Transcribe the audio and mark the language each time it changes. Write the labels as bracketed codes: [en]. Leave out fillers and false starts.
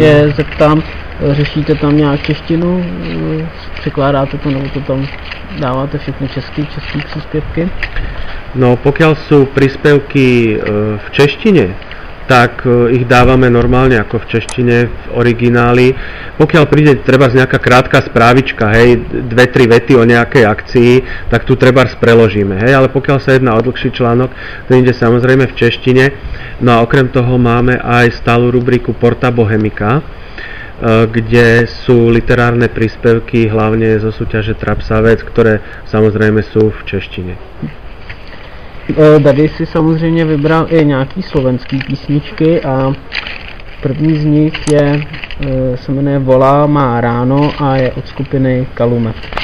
[cs] Ja sa te zeptám, řešíte tam nejak češtinu? Překládáte to, nebo to tam dáváte všechny české příspěvky? [sk] No, pokiaľ sú príspevky v češtine, tak ich dávame normálne ako v češtine, v origináli. Pokiaľ príde treba z nejaká krátka správička, hej, 2-3 vety o nejakej akcii, tak tu treba preložíme, hej, ale pokiaľ sa jedná o dlhší článok, ten ide samozrejme v češtine. No a okrem toho máme aj stálu rubriku Porta Bohemica, kde sú literárne príspevky, hlavne zo súťaže Trapsavec, ktoré samozrejme sú v češtine. [cs] Tady si samozřejmě vybral i nějaký slovenský písničky a první z nich je, se jmenuje Volá má ráno a je od skupiny Kalume.